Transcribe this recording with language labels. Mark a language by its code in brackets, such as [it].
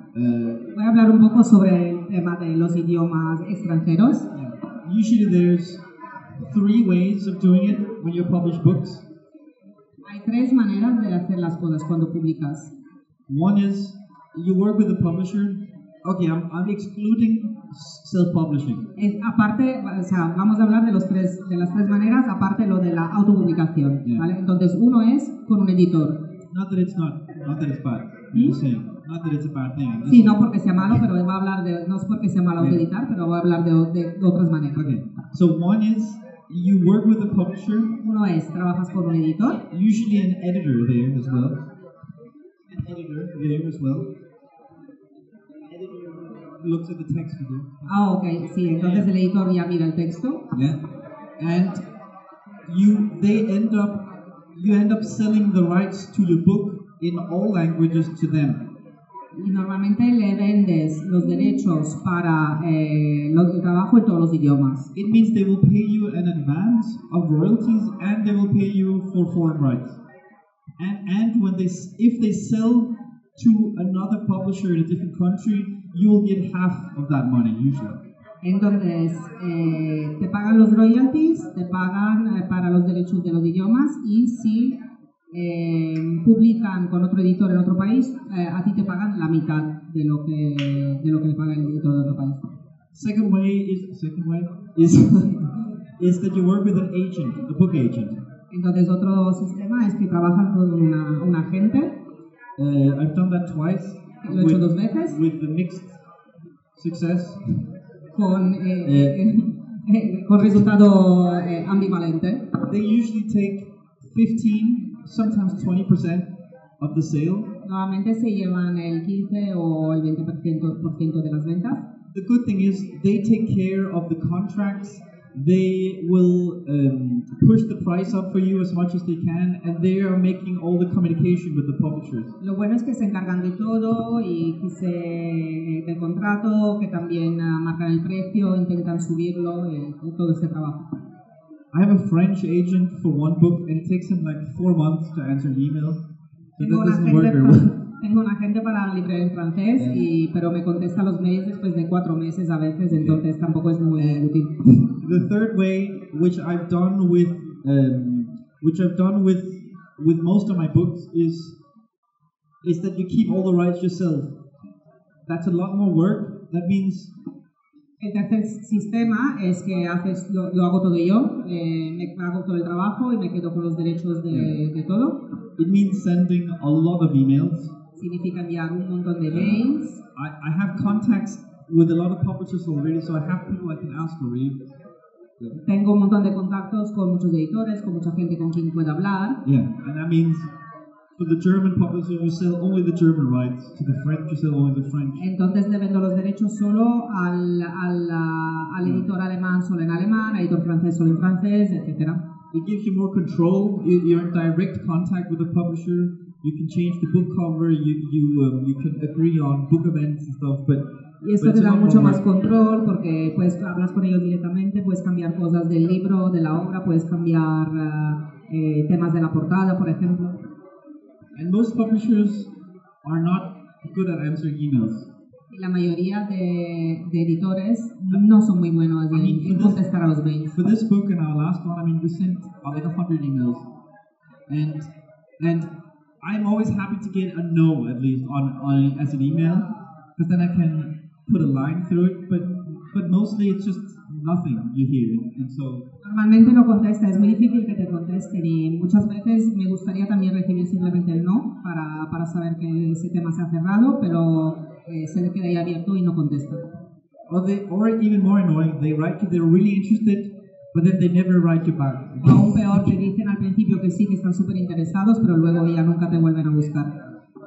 [es] Voy a hablar un poco sobre el tema de los idiomas extranjeros. [en] Yeah. Usually there's three ways of doing it when you publish books. [es] Hay tres maneras de hacer las cosas cuando publicas. [en] One is you work with a publisher. Okay, I'm excluding self-publishing. [es] Aparte, o sea, vamos a hablar de las tres maneras, aparte lo de la autopublicación, yeah. ¿Vale? Entonces, uno es con un editor. [en] Not that it's bad. You're saying, not that it's a bad thing. [es] Sí, no porque sea malo, pero va a hablar de, no es porque sea malo autoeditar, yeah. Pero va a hablar de otras maneras. [en] Okay. So one is you work with a publisher. [es] Uno es trabajas con un editor. [en] Usually an editor there as well. An editor there as well. Looks at the text with you. Ah, okay. [es] Sí, entonces yeah. El editor ya mira el texto. [en] Yeah. And you end up selling the rights to your book in all languages to them. [es] Y normalmente le vendes los derechos para el trabajo en todos los idiomas. [en] It means they will pay you an advance of royalties and they will pay you for foreign rights. And if they sell to another publisher in a different country, you will get half of that money usually. [es] Entonces, te pagan los royalties, te pagan para los derechos de los idiomas, y si publican con otro editor en otro país, a ti te pagan la mitad de lo que le paga el editor de otro país. [en] Second way is that you work with an agent, a book agent. [es] Entonces, otro sistema es que trabajan con un agente. [en] I've done that twice. [es] Lo he hecho dos veces. [en] With the mixed success. [es] Con resultado ambivalente. [en] They usually take 15, sometimes 20% of the sale. [es] Normalmente se llevan el 15 o el 20% de las ventas. [en] The good thing is they take care of the contracts. They will push the price up for you as much as they can, and they are making all the communication with the publishers. [es] Lo bueno es que se encargan de todo y que se del contrato, que también marcan el precio, intentan subirlo, y todo ese trabajo. [en] I have a French agent for one book, and it takes him like 4 months to answer an email. So that doesn't work very well. [es] Tengo un agente para el libro en francés, pero me contesta los mails después de 4 meses a veces, entonces yeah. Tampoco es muy útil. [en] The third way, which I've done with most of my books, is that you keep all the rights yourself. That's a lot more work. That means. [es] El tercer sistema es que haces lo hago todo yo, me hago todo el trabajo y me quedo con los derechos de todo. [en] It means sending a lot of emails. [es] Significa enviar un montón de mails. [en] I have contacts with a lot of publishers already, so I have people I can ask to read. [es] Tengo un montón de contactos con muchos editores, con mucha gente con quien pueda hablar. [en] Yeah, and that means For the German publisher, you sell only the German rights. To the French, you sell only the French. [es] Entonces le vendo los derechos solo al editor alemán, solo en alemán, editor francés, solo en francés, etc. [en] It gives you more control. You're in direct contact with the publisher. You can change the book cover. You can agree on book events and stuff. But [es] y esto te da mucho más control porque puedes hablar con ellos directamente, puedes cambiar cosas del libro, de la obra, puedes cambiar temas de la portada, por ejemplo. [en] And most publishers are not good at answering emails. [es] La mayoría de editores no son muy buenos en contestar a los mails. [en] For this book and our last one, I mean, we sent like 100 emails, and I'm always happy to get a no at least on as an email, because then I can put a line through it. But mostly it's just nothing you hear, and so. [es] Normalmente no contesta, es muy difícil que te contesten y muchas veces me gustaría también recibir simplemente el no para saber que ese tema se ha cerrado, pero se le queda ahí abierto y no contesta. [en] Or even more annoying, they write you, they're really interested, but then they never write you back. [es] Aún peor, te dicen al principio que sí, que están súper interesados, pero luego ya nunca te vuelven a buscar.